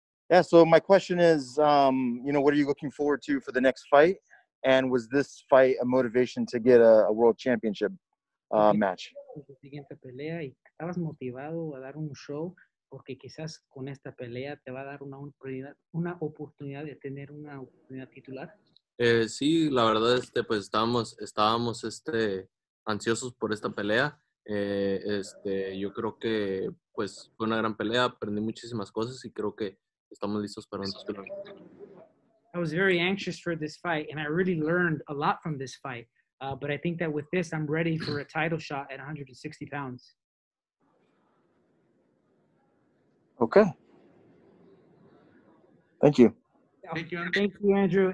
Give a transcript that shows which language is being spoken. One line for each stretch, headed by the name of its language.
English: Yeah, so my question is, what are you looking forward to for the next fight? And was this fight a motivation to get a world championship match?
Spanish: Siguiente pelea, y estabas motivado a dar un show porque quizás con esta pelea te va a dar una oportunidad de tener una oportunidad titular. Sí, la verdad, pues estábamos ansiosos por esta pelea. Yo creo que pues fue una gran pelea, aprendí muchísimas cosas y creo que estamos listos para un título.
English: I was very anxious for this fight and I really learned a lot from this fight, but I think that with this I'm ready for a title shot at 160 pounds. Okay. Thank you. Thank you, Andrew.